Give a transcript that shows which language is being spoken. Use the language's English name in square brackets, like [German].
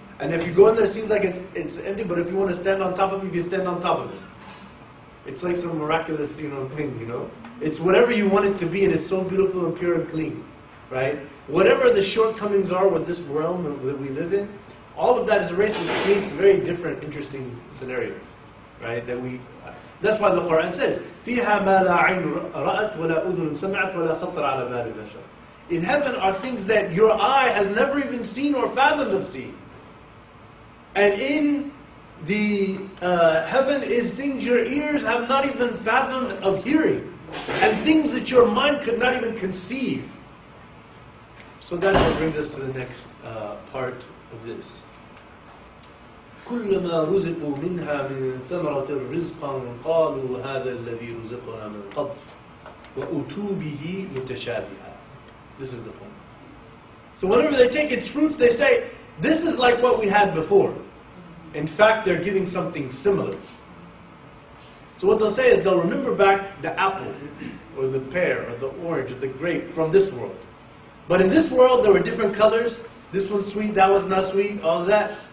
[English] And if you go in there, it seems like it's empty, but if you want to stand on top of it, you can stand on top of it. It's like some miraculous, you know, thing, you know? It's whatever you want it to be, and it's so beautiful and pure and clean. Right? Whatever the shortcomings are with this realm that we live in, all of that is erased and creates very different, interesting scenarios. Right? That's why the Quran says, [Arabic] فِيهَا مَا لَا عَيْنُ رَأَتْ وَلَا أُذُنٌ سَمْعَتْ وَلَا خَطَّرَ عَلَى بَالِ بَشَرٍ. [English] In heaven are things that your eye has never even seen or fathomed of seeing. And in the heaven is things your ears have not even fathomed of hearing. And things that your mind could not even conceive. So that's what brings us to the next part of this. [Arabic] كلما رزقوا منها من ثمرة رزقا قالوا هذا الذي رزقنا من قبل وأتوا به متشابها. [English] This is the point. So whenever they take its fruits, they say, this is like what we had before. In fact, they're giving something similar. So what they'll say is they'll remember back the apple or the pear or the orange or the grape from this world. But in this world, there were different colors. This one's sweet, that one's not sweet, all that.